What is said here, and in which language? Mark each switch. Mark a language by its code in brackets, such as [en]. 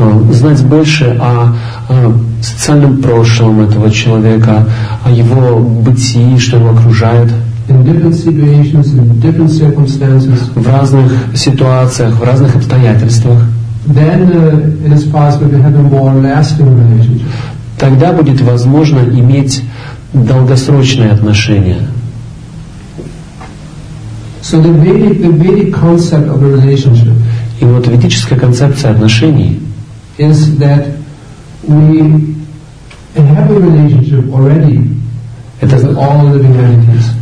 [ru] Знать больше о социальном прошлом этого человека, о его бытии, что его окружает. [en] In different situations, in different circumstances. [ru] В разных ситуациях, в разных обстоятельствах. [en] Then it is possible to have a more lasting relationship. [ru] Тогда будет возможно иметь долгосрочные отношения. [en] So the Vedic concept of a relationship. [ru] И вот ведическая концепция отношений. [en] Is that we have a relationship already with all living entities.